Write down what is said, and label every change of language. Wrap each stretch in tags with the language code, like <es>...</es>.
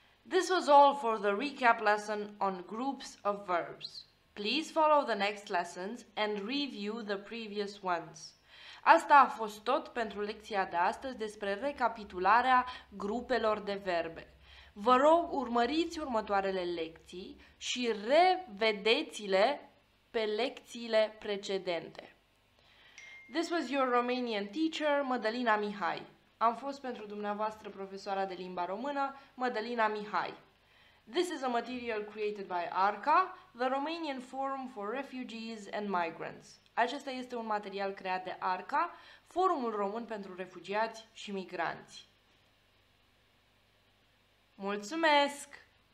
<en>This was all for the recap lesson on groups of verbs. Please follow the next lessons and review the previous ones.</en> <ro>Asta a fost tot pentru lecția de astăzi despre recapitularea grupelor de verbe. Vă rog, urmăriți următoarele lecții și revedeți-le pe lecțiile precedente.</ro> <en>This was your Romanian teacher, Mădălina Mihai.</en> <ro>Am fost pentru dumneavoastră profesoara de limba română, Mădălina Mihai.</ro> <en>This is a material created by ARCA, the Romanian Forum for Refugees and Migrants.</en> <ro>Acesta este un material creat de ARCA, Forumul Român pentru Refugiați și Migranți. Mulțumesc!</ro>